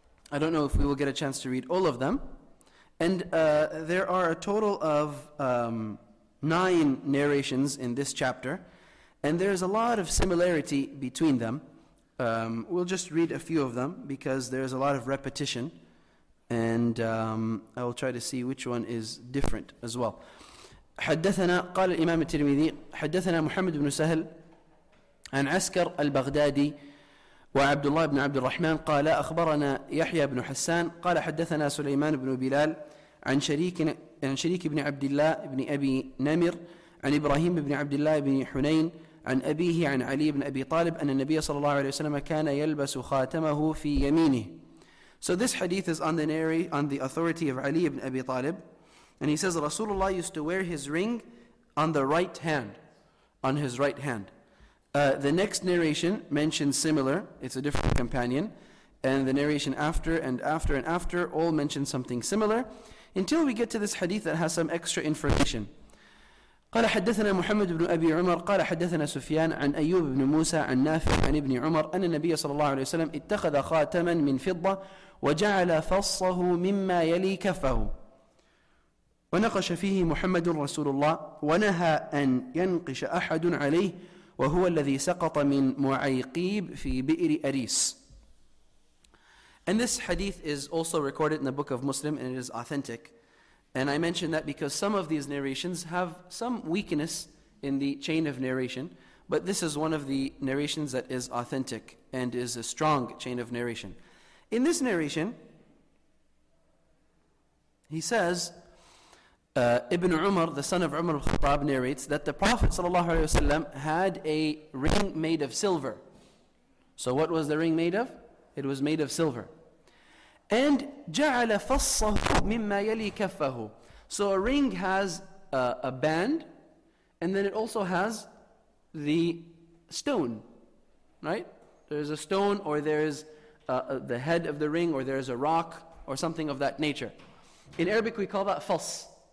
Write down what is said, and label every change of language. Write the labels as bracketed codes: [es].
[en] I don't know if we will get a chance to read all of them. And there are a total of 9 narrations in this chapter. And there's a lot of similarity between them. We'll just read a few of them because there's a lot of repetition. And I will try to see which one is different as well. [ar] حدثنا قال الإمام الترمذي حدثنا محمد بن سهل عن عسكر البغدادي وعبد الله بن عبد الرحمن قال أخبرنا يحيى بن حسان قال حدثنا سليمان بن بلال عن شريك بن عبد الله بن أبي نمر عن إبراهيم بن عبد الله بن حنين عن أبيه عن علي بن أبي طالب أن النبي صلى الله عليه وسلم كان يلبس خاتمه في يمينه. [en] So this hadith is on the authority of Ali ibn Abi Talib, and he says Rasulullah used to wear his ring on the right hand, on his right hand. The next narration mentions similar, it's a different companion, and the narration after and after and after all mention something similar. until we get to this hadith that has some extra information. [ar] قال حدثنا محمد بن أبي عمر قال حدثنا سفيان عن أيوب بن موسى عن نافع عن ابن عمر أن النبي صلى الله عليه وسلم اتخذ خاتما من فضة وجعل فصه مما يلي كفه ونقش فيه محمد رسول الله ونهى أن ينقش أحد عليه وهو الذي سقط من معيقيب في بئر أريس. [en] And this hadith is also recorded in the book of Muslim and it is authentic. And I mention that because some of these narrations have some weakness in the chain of narration, but this is one of the narrations that is authentic and is a strong chain of narration. In this narration, he says, Ibn Umar, the son of Umar al-Khattab, narrates that the Prophet ﷺ had a ring made of silver. So what was the ring made of? It was made of silver. [ar] And جَعَلَ فَصَّهُ مِمَّا يَلِي كَفَّهُ. [en] So a ring has a band, and then it also has the stone, right? There is a stone, or there is the head of the ring, or there is a rock, or something of that nature. In Arabic, we call that فَصْ.